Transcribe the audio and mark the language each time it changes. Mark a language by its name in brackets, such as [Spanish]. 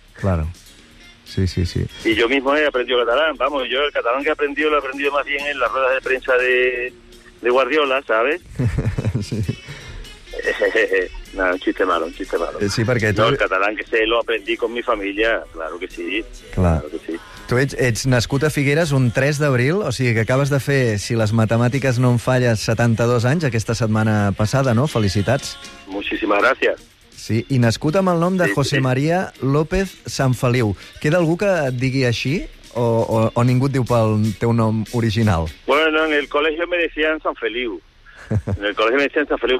[Spanish] Claro. Sí, sí, sí. Y yo mismo he aprendido catalán. Vamos, yo el catalán que he aprendido lo he aprendido más bien en las ruedas de prensa de Guardiola, ¿sabes? Sí. No, un chiste malo. Sí, porque tú... No, el catalán que sé lo aprendí con mi familia, claro que sí. Claro que sí. [Catalan] Tu ets nascut a Figueres un 3 d'abril, o sigui que acabes de fer, si les matemàtiques no em falles, 72 anys aquesta setmana passada, no? Felicitats. [Spanish] Muchísimas gracias. [Catalan] Sí, i nascut amb el nom de José María López Sanfeliu. Queda algú que et digui així o ningú et diu pel teu nom original? [Spanish] Bueno, en el colegio me decían Sanfeliu. En el colegio me decían Sanfeliu.